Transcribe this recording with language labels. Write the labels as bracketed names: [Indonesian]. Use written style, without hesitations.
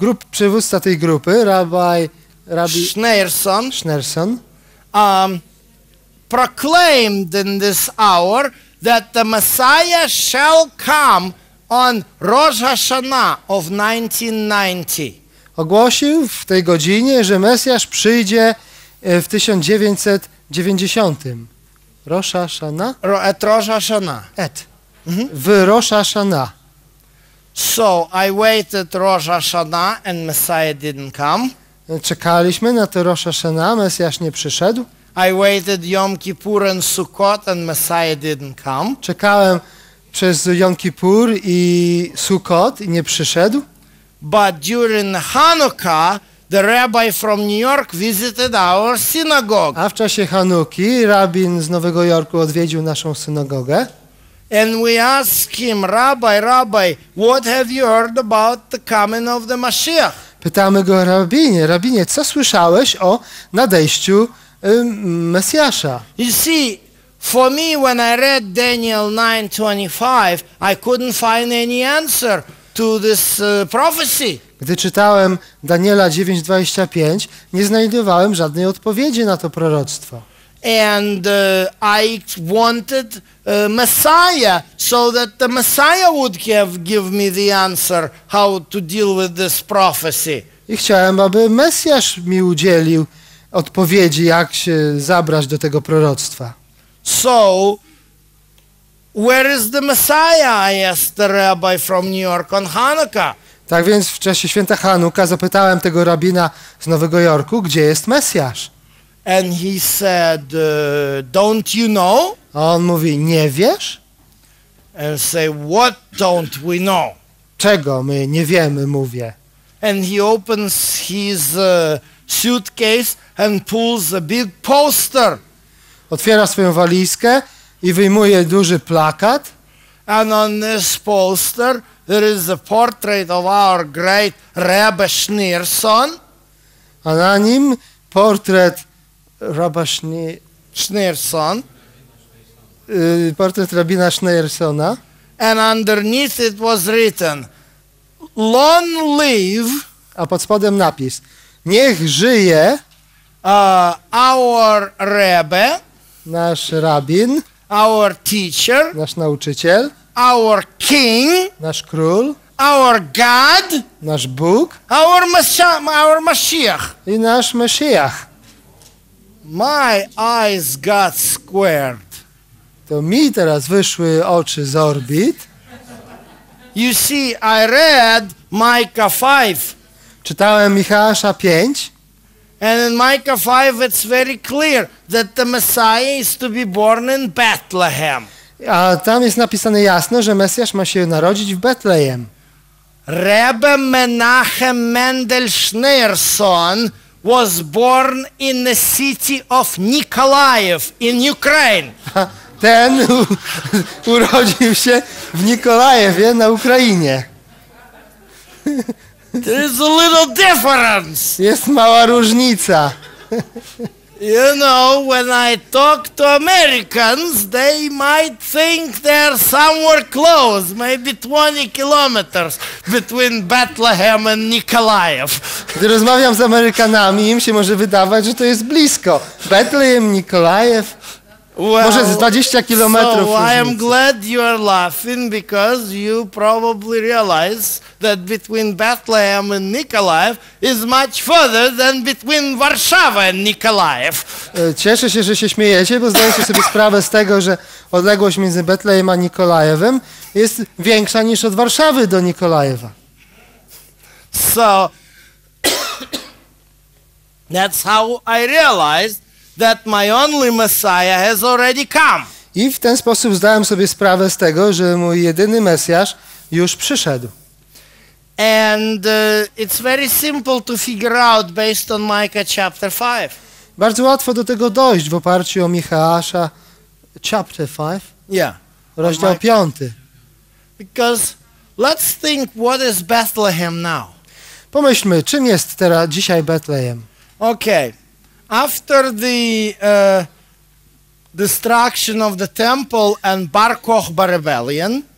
[Polish] Przywódca tej grupy, rabbi Schneerson. Schneerson. [English] Proclaimed in this hour that the Messiah shall come on Rosh Hashanah of 1990. [Polish] Ogłosił w tej godzinie, że Mesjasz przyjdzie w 1990. [English] Rosh Hashanah? At Rosh Hashanah. [Polish] At. Mm-hmm. W Rosh Hashanah. [English] So I waited Rosh Hashanah and Messiah didn't come. [Polish] Czekaliśmy na to Rosh Hashanah, Mesjasz nie przyszedł. [English] I waited Yom Kippur and Sukkot and Messiah didn't come. [Polish] Czekałem przez Yom Kippur i Sukkot i nie przyszedł. [English] But during Hanukkah, the rabbi from New York visited our synagogue. [Polish] A w czasie Hanuki rabin z Nowego Jorku odwiedził naszą synagogę. [English] And we ask him, Rabbi, what have you heard about the coming of the Mashiach? [Polish] Pytamy go, rabinie, co słyszałeś o nadejściu Mesjasza? [English] You see, for me, when I read Daniel 9:25, I couldn't find any answer to this prophecy. [Polish] Gdy czytałem Daniela 9:25, nie znajdowałem żadnej odpowiedzi na to proroctwo. [English] And I wanted Messiah, so that the Messiah would give me the answer how to deal with this prophecy. [Polish] I chciałem, aby Mesjasz mi udzielił odpowiedzi, jak się zabrać do tego proroctwa. [English] So, where is the Messiah? I asked the rabbi from New York on Hanukkah. [Polish] Tak więc w czasie święta Hanuka zapytałem tego rabina z Nowego Jorku, gdzie jest Mesjasz. [English] And he said, don't you know? [Polish] A on mówi, nie wiesz? [English] And say, what don't we know? [Polish] Czego my nie wiemy, mówię. [English] And he opens his suitcase and pulls a big poster. [Polish] Otwiera swoją walizkę i wyjmuje duży plakat. [English] And on this poster there is a portrait of our great Rebbe Schneerson. [Polish] A na nim portret Rabba Schneerson. Portret rabina Schneersona. [English] And underneath it was written, long live. [Polish] A pod spodem napis, niech żyje [English] our Rebbe, [Polish] nasz rabin, [English] our teacher, [Polish] nasz nauczyciel, [English] our king, [Polish] nasz król, [English] our God, [Polish] nasz Bóg, [English] our Mashiach, [Polish] i nasz Mashiach. [English] My eyes got squared. [Polish] To mi teraz wyszły oczy z orbit. [English] You see, I read Micah 5. [Polish] Czytałem Michała 5. [English] And in Micah 5 it's very clear that the Messiah is to be born in Bethlehem. [Polish] A tam jest napisane jasno, że Mesjasz ma się narodzić w Betlejem. [English] Rebbe Menachem Mendel Schneerson was born in the city of Nikolaev in Ukraine. [Polish] Ten urodził się w Nikolajewie na Ukrainie. [English] There is a little difference. [Polish] Jest mała różnica. [English] You know, when I talk to Americans, they might think they're somewhere close, maybe 20 kilometers between Bethlehem and Nikolaev. [Polish] Gdy rozmawiam z Amerykanami, im się może wydawać, że to jest blisko. Bethlehem, Nikolaev. [English] Well, [Polish] może z 20 kilometrów. [English] So I am glad you are laughing because you probably realize that between Bethlehem and Nikolaev is much further than between Warszawa and Nikolaev. [Polish] Cieszę się, że się śmiejecie, bo zdaję sobie sprawę z tego, że odległość między Bethlehem a Nikolajewem jest większa niż od Warszawy do Nikolajewa. [English] So that's how I realized that my only Messiah has already come. [Polish] I w ten sposób zdałem sobie sprawę z tego, że mój jedyny Mesjasz już przyszedł. [English] And it's very simple to figure out based on Micah chapter 5. [Polish] Bardzo łatwo do tego dojść w oparciu o Micheasza chapter 5. [English] Yeah. [Polish] Rozdział 5. [English] Because let's think, what is Bethlehem now? [Polish] Pomyślmy, czym jest teraz dzisiaj Bethlehem? [English] Okay. After the destruction of the temple and Bar Kokhba rebellion,